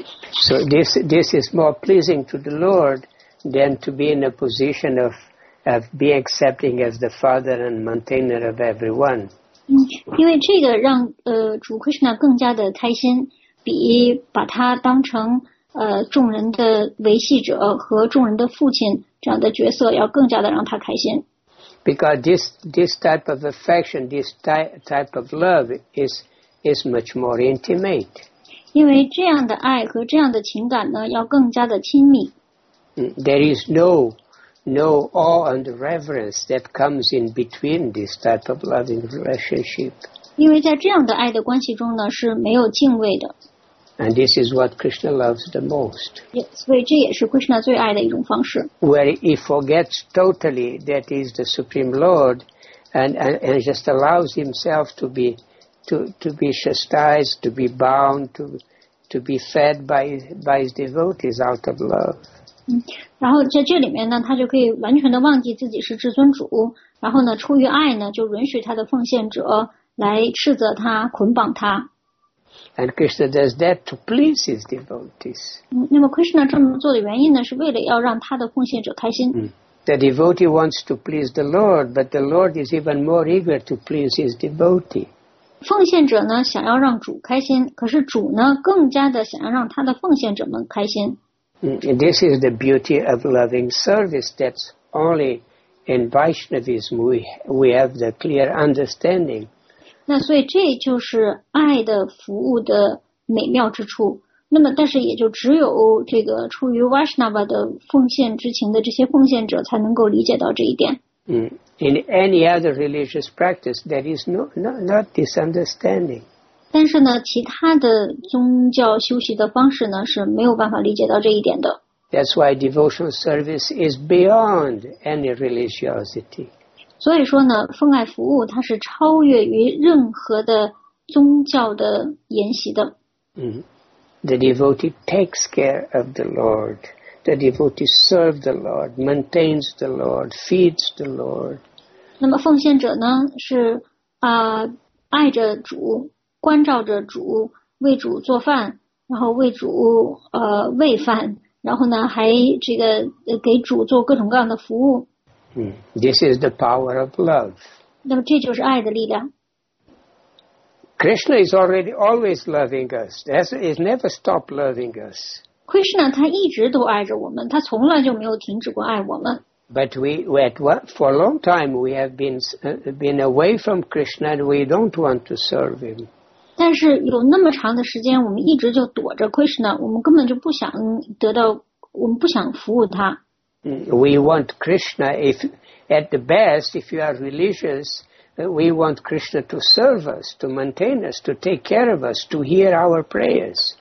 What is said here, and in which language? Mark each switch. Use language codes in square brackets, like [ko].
[en] So this is more pleasing to the Lord than to be in a position of being accepting as the father and maintainer of everyone. [zh] 因为这个让主 Krishna 更加的开心，比把他当成众人的维系者和众人的父亲这样的角色要更加的让他开心。 [en] Because this type of affection, this type of love is much more intimate. [zh] 因为这样的爱和这样的情感呢要更加的亲密。 [en] There is no awe and reverence that comes in between this type of loving relationship. [zh] 因为在这样的爱的关系中呢是没有敬畏的。 [en] And this is what Krishna loves the most. Yes, [zh] 所以这也是 Krishna 最爱的一种方式。 [en] Where he forgets totally that he is the Supreme Lord, and just allows himself to be chastised, to be bound, to be fed by his devotees out of love. [zh] 然后在这里面呢，他就可以完全的忘记自己是至尊主，然后呢，出于爱呢，就允许他的奉献者来斥责他，捆绑他。 [en] And Krishna does that to please his devotees. [zh] 那么 Krishna 这么做的原因呢，是为了要让他的奉献者开心。 [en] The devotee wants to please the Lord, but the Lord is even more eager to please his devotee. [zh] 奉献者呢想要让主开心，可是主呢更加的想要让他的奉献者们开心。 [en] This is the beauty of loving service, that only in Vaishnavism we have the clear understanding. [zh] 那所以这就是爱的服务的美妙之处。那么但是也就只有这个出于 Vaishnava 的奉献之情的这些奉献者才能够理解到这一点。 [en] In any other religious practice, there is not this understanding. [zh] 但是呢，其他的宗教修习的方式呢，是没有办法理解到这一点的。 [en] That's why devotional service is beyond any religiosity. [zh] 所以说呢，奉爱服务它是超越于任何的宗教的研习的。 [en] The devotee takes care of the Lord. The devotee serves the Lord, maintains the Lord, feeds the Lord. [zh] 那么奉献者呢是爱着主，关照着主，为主做饭，然后为主喂饭，然后呢还这个给主做各种各样的服务。 [en] This is the power of love. [zh] 那么这就是爱的力量。 [en] Krishna is already always loving us. He's never stopped loving us. [zh] Krishna 他一直都爱着我们，他从来就没有停止过爱我们。 [en] But for a long time we have been away from Krishna and we don't want to serve him. [zh] 但是有那么长的时间，我们一直就躲着 Krishna， 我们根本就不想得到，我们不想服务他。 [en] We want Krishna if at the best if you are religious, we want Krishna to serve us, to maintain us, to take care of us, to hear our prayers.